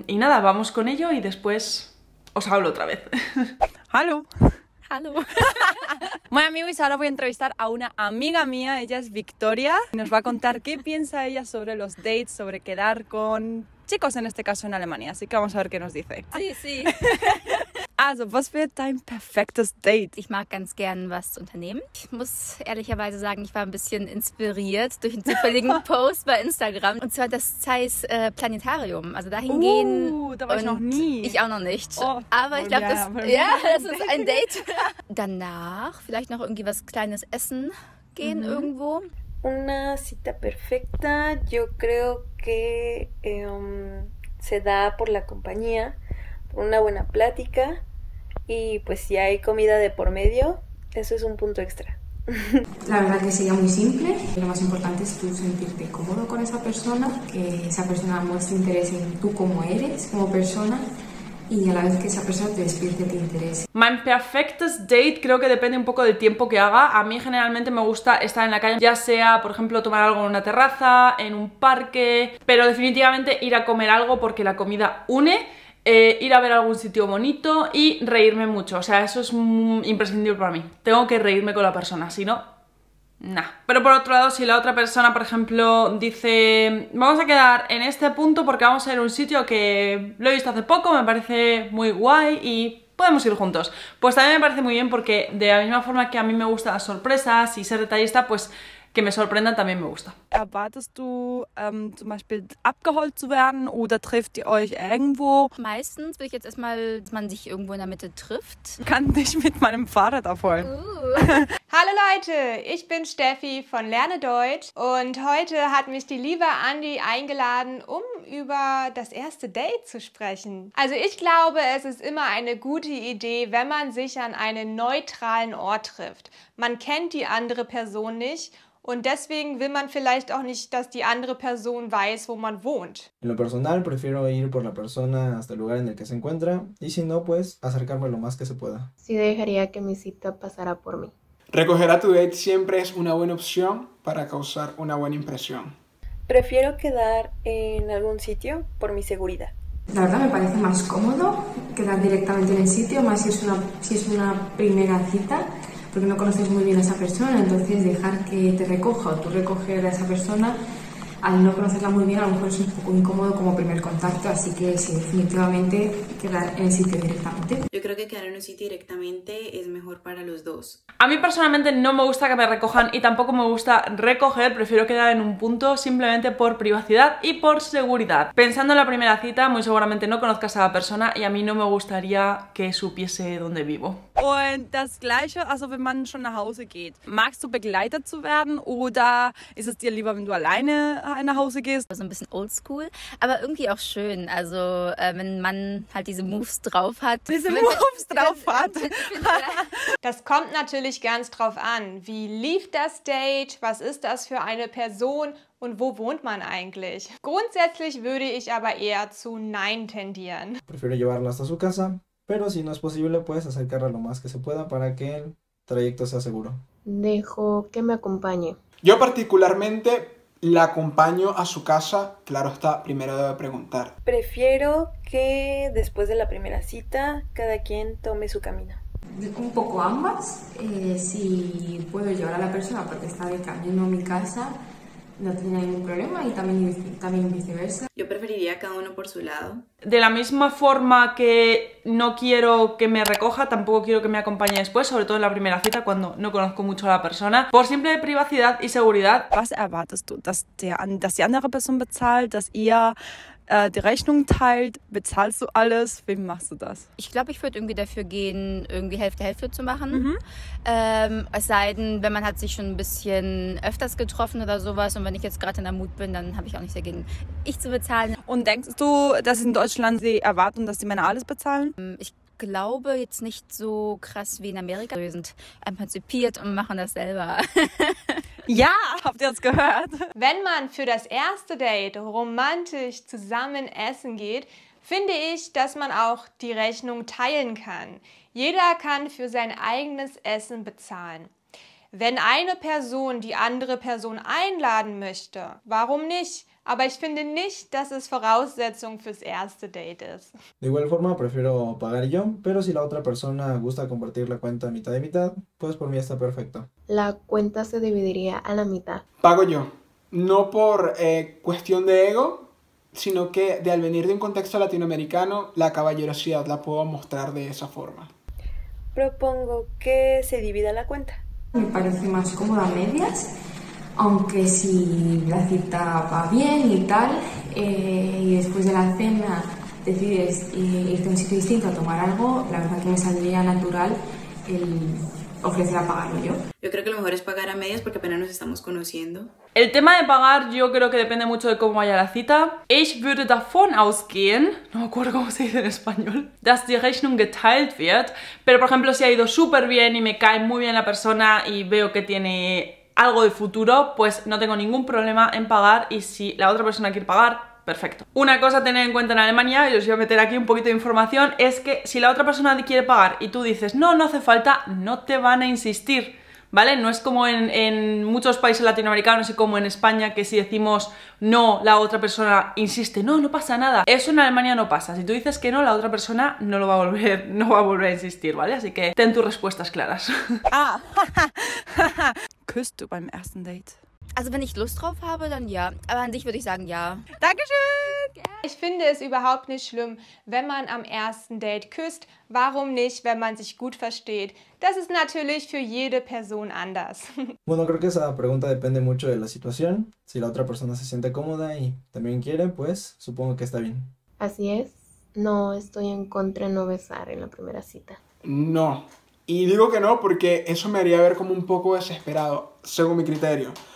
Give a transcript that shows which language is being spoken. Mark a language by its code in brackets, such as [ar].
[es] Y nada, vamos con ello y después os hablo otra vez. [de] ¡Halo! ¡Halo! [es] Bueno, amigos, ahora voy a entrevistar a una amiga mía, ella es Victoria. Nos va a contar qué piensa ella sobre los dates, sobre quedar con chicos, en este caso en Alemania. Así que vamos a ver qué nos dice. Sí, sí. [de] Also, was wäre dein perfektes Date? Ich mag ganz gern was unternehmen. Ich muss ehrlicherweise sagen, ich war ein bisschen inspiriert durch einen zufälligen Post bei Instagram. Und zwar das Zeiss Planetarium. Also dahin gehen. Da war ich noch nie. Ich auch noch nicht. Oh, aber ich glaube, das ist ein Date. Danach vielleicht noch irgendwie was Kleines essen gehen irgendwo. [es] Una cita perfecta. Yo creo que se da por la compañía. Una buena plática y pues si hay comida de por medio, eso es un punto extra. La verdad que sería muy simple. Lo más importante es tú sentirte cómodo con esa persona, que esa persona muestre interés en tú como eres, como persona, y a la vez que esa persona te despierte tu interés. [en] My perfectest date [es] creo que depende un poco del tiempo que haga. A mí generalmente me gusta estar en la calle, ya sea, por ejemplo, tomar algo en una terraza, en un parque, pero definitivamente ir a comer algo porque la comida une. Ir a ver algún sitio bonito y reírme mucho, o sea, eso es imprescindible para mí. Tengo que reírme con la persona, si no, nah. Pero por otro lado, si la otra persona, por ejemplo, dice, vamos a quedar en este punto porque vamos a ir a un sitio que lo he visto hace poco, me parece muy guay y podemos ir juntos, pues también me parece muy bien, porque de la misma forma que a mí me gustan las sorpresas y ser detallista, pues que me sorprendan también me gusta. [de] ¿Erwartest du zum Beispiel abgeholt zu werden oder trifft ihr euch irgendwo? Meistens will ich jetzt erstmal, dass man sich irgendwo in der Mitte trifft. Kann dich mit meinem Fahrrad abholen. Hallo Leute, ich bin Steffi von Lerne Deutsch und heute hat mich die liebe Andi eingeladen, um über das erste Date zu sprechen. Also ich glaube, es ist immer eine gute Idee, wenn man sich an einen neutralen Ort trifft. Man kennt die andere Person nicht und deswegen will man vielleicht auch nicht, dass die andere Person weiß, wo man wohnt. [es] En lo personal prefiero ir por la persona hasta el lugar en el que se encuentra y si no, pues acercarme lo más que se pueda. Sí, dejaría que mi cita pasara por mí. Recoger a tu date siempre es una buena opción para causar una buena impresión. Prefiero quedar en algún sitio por mi seguridad. La verdad me parece más cómodo quedar directamente en el sitio, más si es una primera cita, porque no conoces muy bien a esa persona, entonces dejar que te recoja o tú recoger a esa persona, al no conocerla muy bien, a lo mejor es un poco incómodo como primer contacto, así que sí, definitivamente quedar en el sitio directamente. Yo creo que quedar en un sitio directamente es mejor para los dos. A mí personalmente no me gusta que me recojan y tampoco me gusta recoger, prefiero quedar en un punto simplemente por privacidad y por seguridad. Pensando en la primera cita, muy seguramente no conozcas a la persona y a mí no me gustaría que supiese dónde vivo. [de] Und das gleiche, also wenn man schon nach Hause geht. Magst du begleitet zu werden oder ist es dir lieber, wenn du alleine nach Hause gehst? So ein bisschen oldschool, aber irgendwie auch schön. Also wenn man halt diese Moves drauf hat. Diese Moves drauf hat. Das kommt natürlich ganz drauf an. Wie lief das Date? Was ist das für eine Person? Und wo wohnt man eigentlich? Grundsätzlich würde ich aber eher zu Nein tendieren. [es] Prefiero llevarla hasta su casa. pero si no es posible, puedes acercarla lo más que se pueda para que el trayecto sea seguro. Dejo que me acompañe. Yo particularmente la acompaño a su casa, claro está, primero debe preguntar. Prefiero que después de la primera cita, cada quien tome su camino. Dejo un poco ambas, si puedo llevar a la persona porque está de camino a mi casa, no tiene ningún problema, y también viceversa. Yo preferiría cada uno por su lado. De la misma forma que no quiero que me recoja, tampoco quiero que me acompañe después, sobre todo en la primera cita cuando no conozco mucho a la persona. Por simple privacidad y seguridad. [de] Was erwartest du, dass die andere Person bezahlt, dass ihr die Rechnung teilt? Bezahlst du alles? Wem machst du das? Ich glaube, ich würde irgendwie dafür gehen, irgendwie Hälfte-Hälfte zu machen. Mhm. Es sei denn, wenn man hat sich schon ein bisschen öfters getroffen oder sowas, und wenn ich jetzt gerade in der Mut bin, dann habe ich auch nichts dagegen, ich zu bezahlen. Und denkst du, dass in Deutschland sie erwarten, dass die Männer alles bezahlen? Ich glaube jetzt nicht so krass wie in Amerika. Wir sind emanzipiert und machen das selber. Ja, habt ihr das gehört? Wenn man für das erste Date romantisch zusammen essen geht, finde ich, dass man auch die Rechnung teilen kann. Jeder kann für sein eigenes Essen bezahlen. Wenn eine Person die andere Person einladen möchte, warum nicht? Aber ich finde nicht, dass es Voraussetzung fürs erste Date ist. [es] De igual forma, prefiero pagar yo, pero si la otra persona gusta compartir la cuenta mitad y mitad, pues por mí está perfecto. La cuenta se dividiría a la mitad. Pago yo. No por cuestión de ego, sino que de al venir de un contexto latinoamericano, la caballerosidad la puedo mostrar de esa forma. Propongo que se divida la cuenta. Me parece más cómoda a medias. Aunque si la cita va bien y tal, y después de la cena decides irte a un sitio distinto a tomar algo, la verdad que me saldría natural el ofrecer a pagarlo yo. Yo creo que lo mejor es pagar a medias porque apenas nos estamos conociendo. El tema de pagar yo creo que depende mucho de cómo vaya la cita. [de] Ich würde davon ausgehen, [es] no me acuerdo cómo se dice en español, [de] dass die Rechnung geteilt wird. [es] Pero por ejemplo, si ha ido súper bien y me cae muy bien la persona y veo que tiene algo de futuro, pues no tengo ningún problema en pagar, y si la otra persona quiere pagar, perfecto. Una cosa a tener en cuenta en Alemania, y os voy a meter aquí un poquito de información, es que si la otra persona quiere pagar y tú dices no, no hace falta, no te van a insistir, ¿vale? No es como en muchos países latinoamericanos y como en España, que si decimos no, la otra persona insiste, no, no pasa nada. Eso en Alemania no pasa. Si tú dices que no, la otra persona no lo va a volver, no va a volver a insistir, ¿vale? Así que ten tus respuestas claras. [de] Ah, küsst du beim ersten Date? Also wenn ich Lust drauf habe, dann ja. Aber an sich würde ich sagen ja. Dankeschön! Ich finde es überhaupt nicht schlimm, wenn man am ersten Date küsst. Warum nicht, wenn man sich gut versteht? Das ist natürlich für jede Person anders. [es] Bueno, creo que esa pregunta depende mucho de la situación. Si la otra persona se siente cómoda y también quiere, pues supongo que está bien. Así es. No estoy en contra de no besar en la primera cita. No. Y digo que no porque eso me haría ver como un poco desesperado, según mi criterio.